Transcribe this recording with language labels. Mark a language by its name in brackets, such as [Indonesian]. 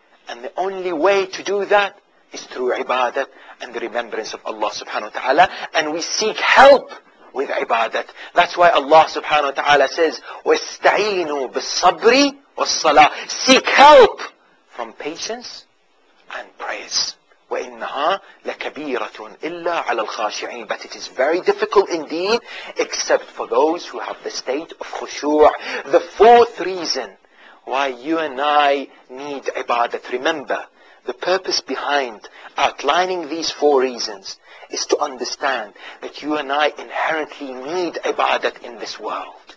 [English] And the only way to do that is through ibadat and the remembrance of Allah subhanahu wa ta'ala. And we seek help with ibadat. That's why Allah subhanahu wa ta'ala says, [Arabic] وَاسْتَعِينُوا بِالصَّبْرِ وَالصَّلَاةِ. [English] Seek help from patience and prayers. [Arabic] وإنها لكبيرة إلا على الخاشعين. [English] But it is very difficult indeed except for those who have the state of خشوع. The fourth reason why you and I need ibadah. Remember, the purpose behind outlining these four reasons is to understand that you and I inherently need ibadah in this world.